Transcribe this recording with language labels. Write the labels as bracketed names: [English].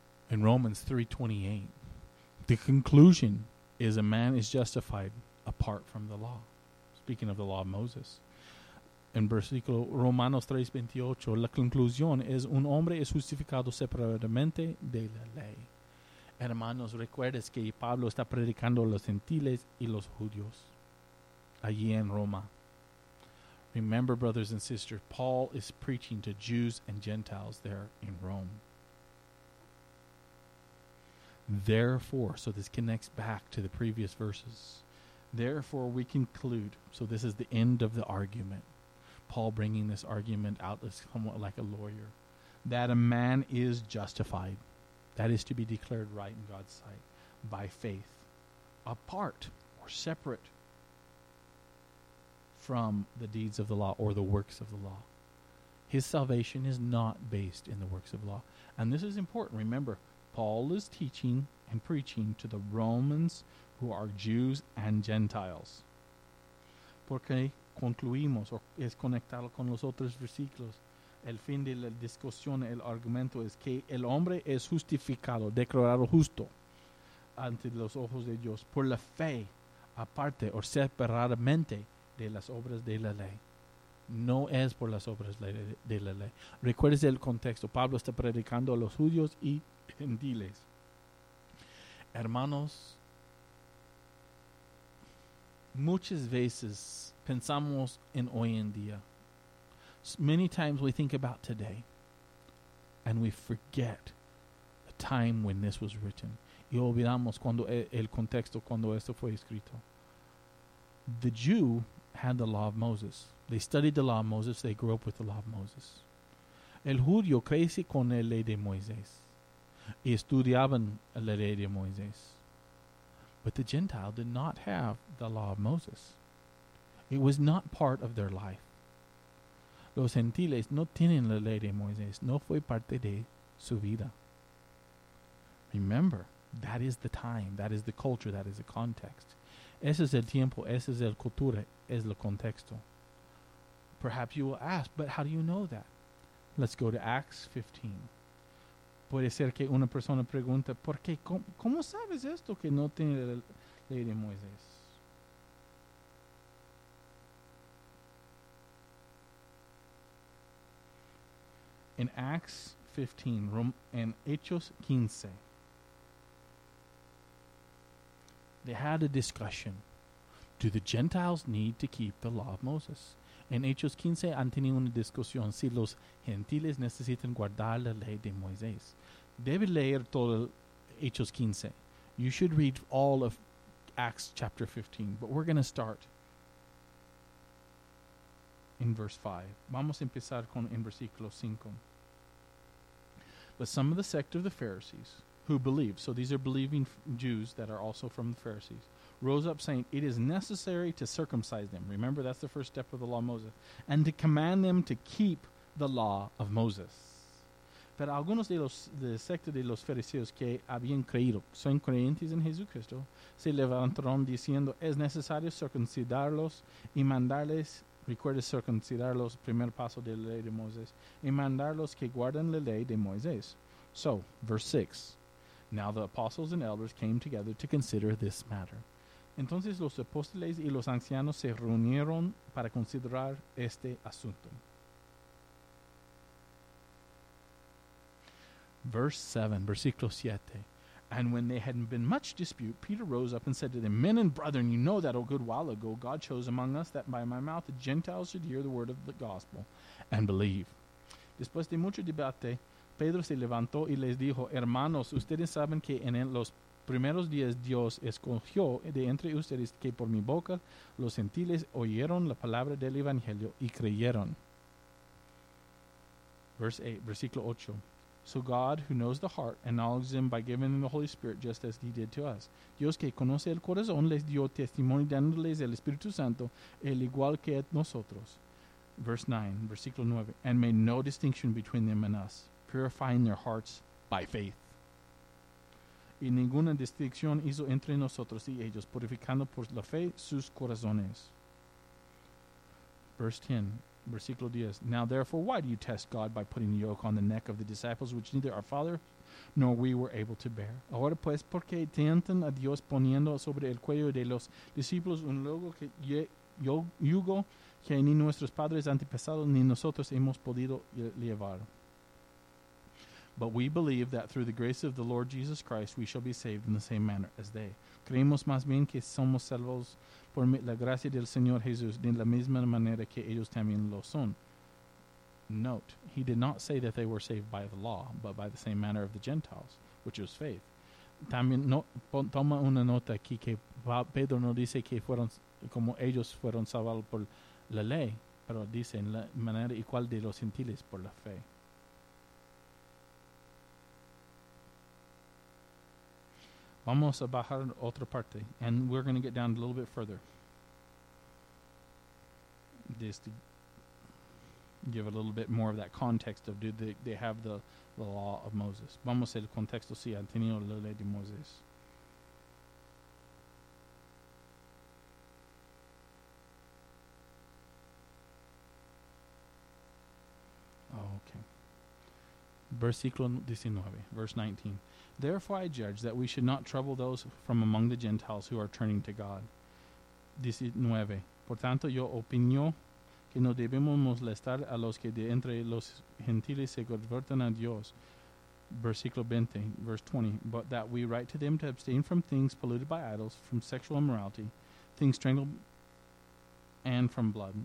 [English] In Romans 3:28, the conclusion is a man is justified apart from the law. Speaking of the law of Moses. [Spanish] In versículo Romanos 3:28, la conclusión es un hombre es justificado separadamente de la ley. Hermanos, recuerdes que Pablo está predicando a los gentiles y los judíos allí en Roma. [English] Remember, brothers and sisters, Paul is preaching to Jews and Gentiles there in Rome. Therefore, so this connects back to the previous verses. Therefore, we conclude. So this is the end of the argument. Paul bringing this argument out is somewhat like a lawyer. That a man is justified. That is to be declared right in God's sight. By faith. Apart or separate from the deeds of the law or the works of the law. His salvation is not based in the works of law. And this is important. Remember, Paul is teaching and preaching to the Romans who are Jews and Gentiles. [Spanish] Porque concluimos, o es conectado con los otros versículos, el fin de la discusión, el argumento es que el hombre es justificado, declarado justo ante los ojos de Dios por la fe, aparte o separadamente de las obras de la ley. No es por las obras de la ley. Recuerde el contexto. Pablo está predicando a los judíos y gentiles. Hermanos, muchas veces pensamos en hoy en día. [English] Many times we think about today and we forget the time when this was written. [Spanish] Y olvidamos cuando el contexto cuando esto fue escrito. [English] The Jew had the law of Moses. They studied the law of Moses. They grew up with the law of Moses. [Spanish] El judío crece con la ley de Moisés. Y estudiaban la ley de Moisés. [English] But the Gentile did not have the law of Moses. It was not part of their life. [Spanish] Los gentiles no tienen la ley de Moisés. No fue parte de su vida. [English] Remember, that is the time. That is the culture. That is the context. [Spanish] Ese es el tiempo. Ese es el cultura. Es el contexto. [English] Perhaps you will ask, but how do you know that? Let's go to Acts 15. [Spanish] Puede ser que una persona pregunta, ¿por qué? ¿Cómo sabes esto que no tiene la ley de Moisés? [English] in Acts 15, and Hechos 15, they had a discussion. Do the Gentiles need to keep the law of Moses? [Spanish] En Hechos 15 han tenido una discusión si los gentiles necesitan guardar la ley de Moisés. Debe leer todo Hechos 15. [English] You should read all of Acts chapter 15, but we're going to start in verse 5. [Spanish] Vamos a empezar con en versículo 5. [English] But some of the sect of the Pharisees who believed, so these are believing Jews that are also from the Pharisees, rose up saying, it is necessary to circumcise them. Remember, that's the first step of the law of Moses. And to command them to keep the law of Moses. [Spanish] Pero algunos de los de secta de los fariseos que habían creído, son creyentes en Jesucristo, se levantaron diciendo, es necesario circuncidarlos y mandarles, recuerde circuncidarlos, primer paso de la ley de Moses, y mandarlos que guarden la ley de Moisés. [English] So, verse 6. Now the apostles and elders came together to consider this matter. [Spanish] Entonces los apóstoles y los ancianos se reunieron para considerar este asunto. [English] Verse 7, versículo 7. And when they had been much dispute, Peter rose up and said to them, men and brethren, you know that a good while ago God chose among us that by my mouth the Gentiles should hear the word of the gospel and believe. [Spanish] Después de mucho debate, Pedro se levantó y les dijo, hermanos, ustedes saben que en los primeros días Dios escogió de entre ustedes que por mi boca los gentiles oyeron la palabra del evangelio y creyeron. [English] Verse 8, versículo 8. So God, who knows the heart, acknowledges them by giving them the Holy Spirit just as he did to us. [Spanish] Dios que conoce el corazón les dio testimonio dándoles el Espíritu Santo, el igual que nosotros. [English] Verse 9, versículo 9. And made no distinction between them and us, purifying their hearts by faith. [Spanish] Y ninguna distinción hizo entre nosotros y ellos, purificando por la fe sus corazones. [English] Verse 10, versículo 10. Now therefore, why do you test God by putting the yoke on the neck of the disciples, which neither our father nor we were able to bear? [Spanish] Ahora pues, ¿por qué tientan a Dios poniendo sobre el cuello de los discípulos un yugo que ni nuestros padres antepasados ni nosotros hemos podido llevar? [English] But we believe that through the grace of the Lord Jesus Christ, we shall be saved in the same manner as they. [Spanish] Creemos más bien que somos salvos por la gracia del Señor Jesús de la misma manera que ellos también lo son. [English] Note, he did not say that they were saved by the law, but by the same manner of the Gentiles, which was faith. [Spanish] También toma una nota aquí que Pedro no dice que fueron como ellos fueron salvados por la ley, pero dice en la manera igual de los gentiles por la fe. Vamos a bajar otra parte, [English] and we're going to get down a little bit further. Just to give a little bit more of that context of, do they have the law of Moses? [Spanish] Vamos al contexto, si han tenido la ley de Moses. [English] Okay. Versículo 19, verse 19. Therefore I judge that we should not trouble those from among the Gentiles who are turning to God. 19. [Spanish] Por tanto, yo opino que no debemos molestar a los que de entre los gentiles se convierten a Dios. [English] Versículo 20, verse 20. But that we write to them to abstain from things polluted by idols, from sexual immorality, things strangled, and from blood.